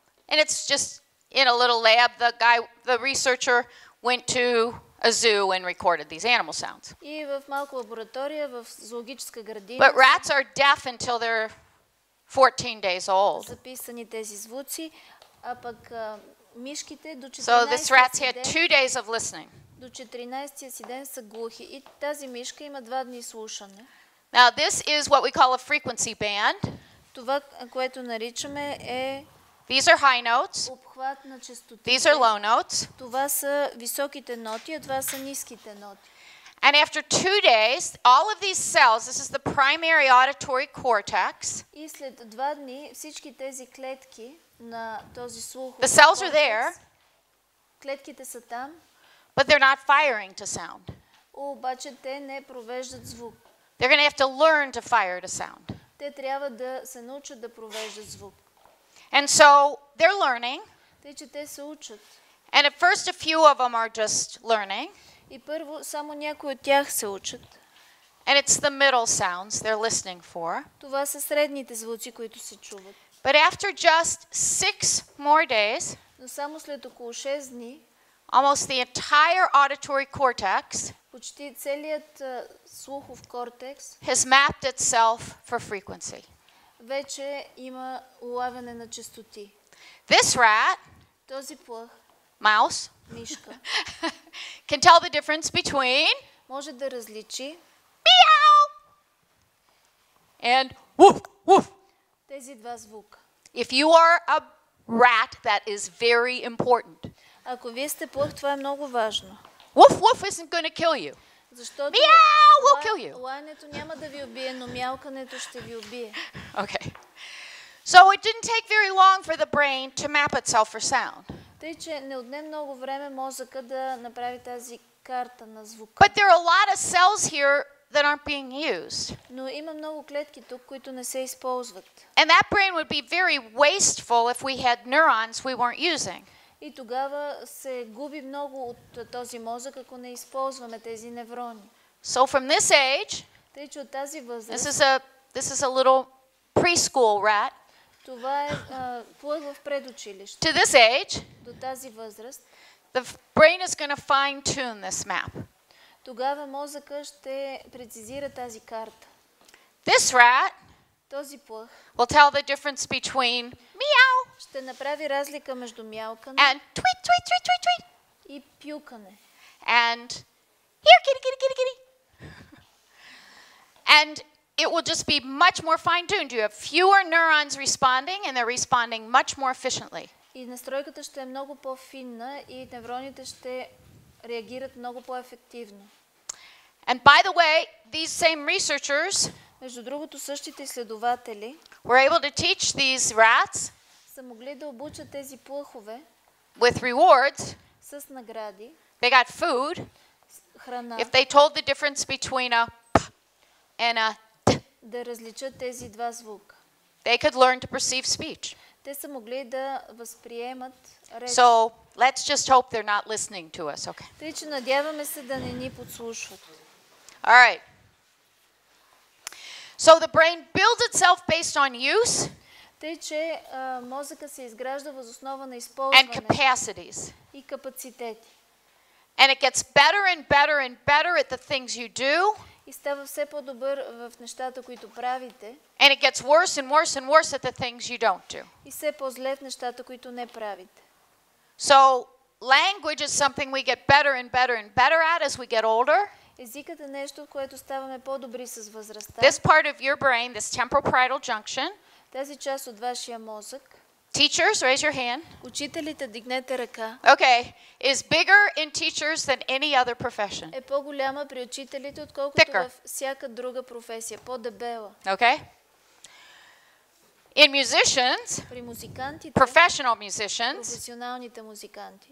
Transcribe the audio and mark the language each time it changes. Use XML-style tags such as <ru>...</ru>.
<en>And it's just in a little lab, the researcher went to a zoo and recorded these animal sounds.</en> <bg>И в малка лаборатория в зоологическа градина.</bg> <en>But rats are deaf until they're 14 days old.</en> <bg>Записани тези звуци, а пък мишките до 14.</bg> <en>So this rat's had 2 days of listening.</en> <bg>До 14-тия си ден са глухи и тази мишка има 2 дни слушане.</bg> <en>Now this is what we call a frequency band.</en> <bg>Това, което наричаме е</bg> <en>These are high notes.</en> <bg>Обхват на частотите.</bg> <en>These are low notes.</en> <bg>Това са високите ноти, а това са ниските ноти.</bg> <en>And after 2 days, all of these cells, this is the primary auditory cortex.</en> <bg>И след 2 дни всички тези клетки на този слухов.</bg> <en>The cells are there.</en> <bg>Клетките са там.</bg> <en>But they're not firing to sound.</en> <bg>Обаче те не провеждат звук.</bg> <en>They're going to have to learn to fire to sound.</en> <bg>Те трябва да се научат да провеждат звук.</bg> <en>And so they're learning.</en> <bg>Тъй, че те се учат.</bg> <en>And at first a few of them are just learning.</en> <bg>И първо само някои от тях се учат.</bg> <en>And it's the middle sounds they're listening for.</en> <bg>Това са средните звуци, които се чуват.</bg> <en>But after just 6 more days,</en> <bg>но само след около 6 дни,</bg> <en>almost the entire auditory cortex,</en> <bg>почти целият слухов кортекс,</bg> <en>has mapped itself for frequency.</en> <bg>Вече има улавяне на частоти.</bg> <en>This rat,</en> <bg>този плъх,</bg> <en>mouse,</en> <bg>мишка,</bg> <en>can tell the difference between,</en> <bg>може да различи,</bg> <en>meow, and woof, woof.</en> <bg>Тези два звука.</bg> <en>If you are a rat, that is very important.</en> <bg>Ако вие сте плъх, това е много важно.</bg> <en>Woof, woof isn't going to kill you.</en> <bg>Защото</bg> <en>meow will kill you.</en> <bg>Лаянето няма да ви убие, но мяукането ще ви убие.</bg> <en>Okay. So it didn't take very long for the brain to map itself for sound.</en> <bg>Тъй, че не отне много време мозъка да направи тази карта на звука.</bg> <en>But there are a lot of cells here that aren't being used.</en> <bg>Но има много клетки тук, които не се използват.</bg> <en>And that brain would be very wasteful if we had neurons we weren't using.</en> <bg>И тогава се губи много от този мозък, ако не използваме тези неврони.</bg> <en>So from this age,</en> <bg>тъй, че от тази възраст,</bg> <en>this is a little preschool rat.</en> <bg>Това е плъх в предучилище.</bg> <en>To this age,</en> <bg>до тази възраст,</bg> <en>the brain is going to fine tune this map.</en> <bg>Тогава мозъка ще прецизира тази карта.</bg> <en>This rat,</en> <bg>този плъх,</bg> <en>will tell the difference between meow.</en> <bg>Ще направи разлика между мяукане</bg> <en>and tweet, tweet, tweet, tweet, tweet.</en> <bg>И пюкане.</bg> <en>And here, kitty, kitty, kitty, kitty. And it will just be much more fine-tuned. You have fewer neurons responding and they're responding much more efficiently.</en> <bg>И настройката ще е много по-финна и невроните ще реагират много по-ефективно.</bg> <en>And by the way, these same researchers,</en> <bg>между другото същите изследователи,</bg> <en>were able to teach these rats</en> <bg>са могли да обучат тези плъхове</bg> <en>with rewards,</en> <bg>с награди.</bg> <en>They got food.</en> <bg>Храна.</bg> <en>If they told the difference between a p and a t,</en> <bg>да различат тези два звука,</bg> <en>they could learn to perceive speech.</en> <bg>Те са могли да възприемат реч.</bg> <en>So let's just hope they're not listening to us, okay?</en> <bg>Тъй, че надяваме се да не ни подслушват.</bg> <en>All right. So the brain builds itself based on use.</en> <bg>Тъй, че мозъка се изгражда въз основа на използване и капацитети.</bg> <en>And it gets better and better and better at the things you do.</en> <bg>И става все по-добър в нещата, които правите.</bg> <en>And it gets worse and worse and worse at the things you don't do.</en> <bg>И все по-зле в нещата, които не правите.</bg> <en>So language is something we get better and better and better at as we get older.</en> <bg>Езикът е нещо, което ставаме по-добри с възрастта.</bg> <en>This part of your brain, this temporal parietal junction,</en> <bg>тази част от вашия мозък.</bg> <en>Teachers, raise your hand.</en> <bg>Учителите, дигнете ръка.</bg> <en>Okay, is bigger in teachers than any other profession.</en> <bg>Е по-голяма при учителите, отколкото</bg> <en>Thicker.</en> <bg>Във всяка друга професия, по-дебела.</bg> <en>Okay. In musicians,</en> <bg>при музикантите,</bg> <en>professional musicians,</en> <bg>професионалните музиканти.</bg>